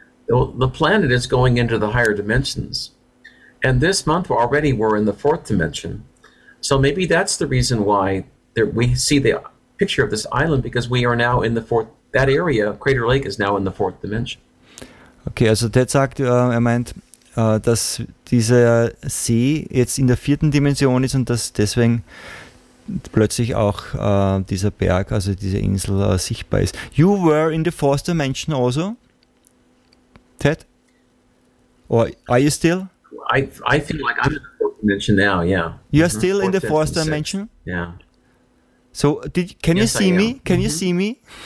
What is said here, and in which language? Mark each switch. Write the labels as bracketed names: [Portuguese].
[English] Now the planet is going into the higher dimensions. And this month we're already in the fourth dimension. So maybe that's the reason why we see the picture of this island, because we are now in the fourth, that area, Crater Lake, is now in the fourth dimension. [German] Okay, also Ted sagt, dass dieser See jetzt in der vierten Dimension ist und dass deswegen plötzlich auch dieser Berg, also diese Insel, sichtbar ist. [English] You were in the fourth dimension also, Ted? Or are you still? I feel like I'm in the fourth dimension now, yeah. You're still in the fourth dimension? Six. Yeah. So, you see me? Can you see me?